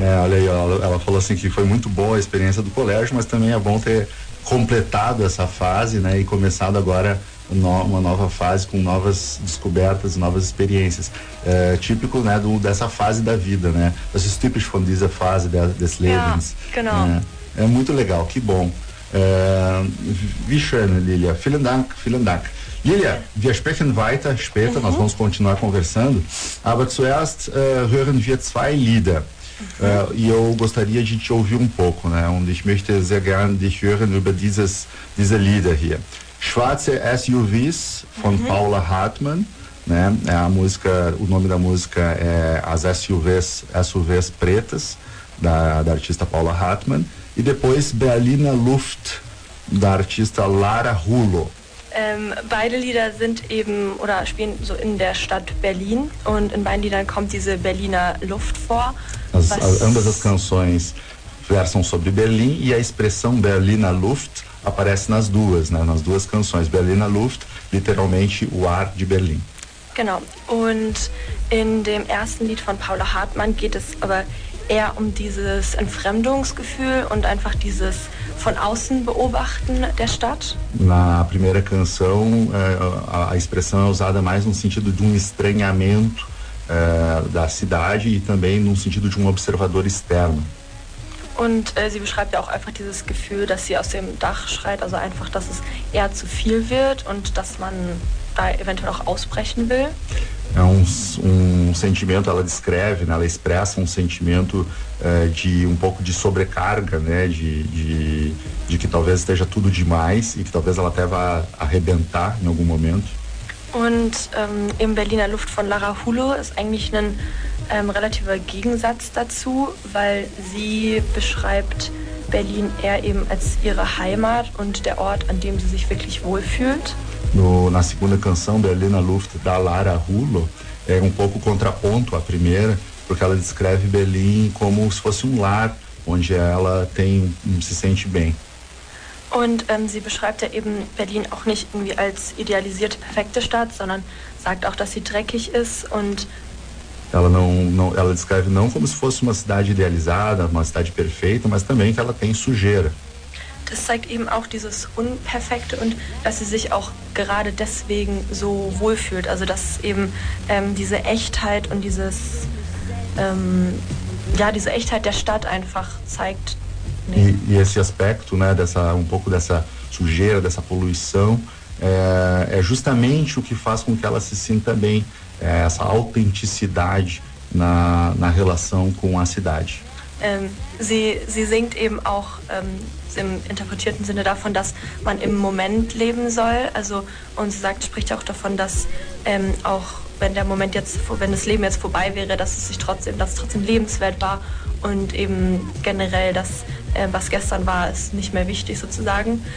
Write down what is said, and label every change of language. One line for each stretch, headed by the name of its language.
Portuguese: É, olha aí, ela falou assim que foi muito boa a experiência do colégio, mas também é bom ter completado essa fase, né, e começado agora uma nova fase com novas descobertas, novas experiências. É, típico, né, dessa fase da vida, né?
German: Das ist typisch von dieser Phase des Lebens. Ja, genau.
Portuguese: É muito legal, que bom. É,
German: wie schön,
Portuguese: Lilia.
German: Vielen Dank, vielen Dank. Lilia, wir sprechen weiter später,
Portuguese: nós vamos continuar conversando,
German: aber zuerst hören wir zwei Lieder.
Portuguese: Eu gostaria de te ouvir um pouco, né?
German: Und ich möchte sehr gerne dich hören über diese Lieder hier. Schwarze SUVs von Paula Hartmann, né?
Portuguese: O nome da música é As SUVs Pretas, da artista Paula Hartmann. E depois Berliner Luft, da artista Lara Hulo.
German: Beide Lieder sind eben oder spielen so in der Stadt Berlin und in beiden Liedern kommt diese Berliner Luft vor.
Portuguese: Ambas as canções versam sobre Berlim e a expressão Berliner Luft aparece nas duas, né? Nas duas canções. Berliner Luft, literalmente o ar de Berlim.
German: Genau. Und in dem ersten Lied von Paula Hartmann geht es aber eher um dieses Entfremdungsgefühl und einfach dieses von außen beobachten der Stadt.
Portuguese: Na primeira canção, a expressão é usada mais no sentido de estranhamento da cidade e também no sentido de observador externo.
German: Und sie beschreibt ja auch einfach dieses Gefühl, dass sie aus dem Dach schreit, also einfach, dass es eher zu viel wird und dass man da eventuell auch ausbrechen will.
Portuguese: É sentimento, ela descreve, né? Ela expressa sentimento de pouco de sobrecarga, né? De que talvez esteja tudo demais e que talvez ela até vá arrebentar em algum momento.
German: Und im Berliner Luft von Lara Hulo ist eigentlich ein relativer Gegensatz dazu, weil sie beschreibt Berlin eher eben als ihre Heimat und der Ort, an dem sie sich wirklich wohlfühlt.
Portuguese: Na segunda canção, Berliner Luft, da Lara Hulo, é pouco contraponto à primeira, porque ela descreve Berlin como se fosse lar, onde ela se sente bem.
German: Und sie beschreibt ja eben Berlin auch nicht irgendwie als idealisierte, perfekte Stadt, sondern sagt auch, dass sie dreckig ist und...
Portuguese: Ela ela descreve não como se fosse uma cidade idealizada, uma cidade perfeita, mas também que ela tem sujeira.
German: Das zeigt eben auch dieses Unperfekte und dass sie sich auch gerade deswegen so wohlfühlt. Also dass eben diese Echtheit und dieses, diese Echtheit der Stadt einfach zeigt...
Portuguese: E esse aspecto, né, dessa pouco dessa sujeira, dessa poluição, é justamente o que faz com que ela se sinta bem, essa autenticidade na relação com a cidade.
German: Sie singt eben auch im interpretierten Sinne davon, dass man im Moment leben soll, also und sie sagt, spricht auch davon, dass auch wenn der Moment jetzt, wenn das Leben jetzt vorbei wäre, dass es trotzdem lebenswert war und eben generell das, was gestern war, ist nicht mehr wichtig sozusagen.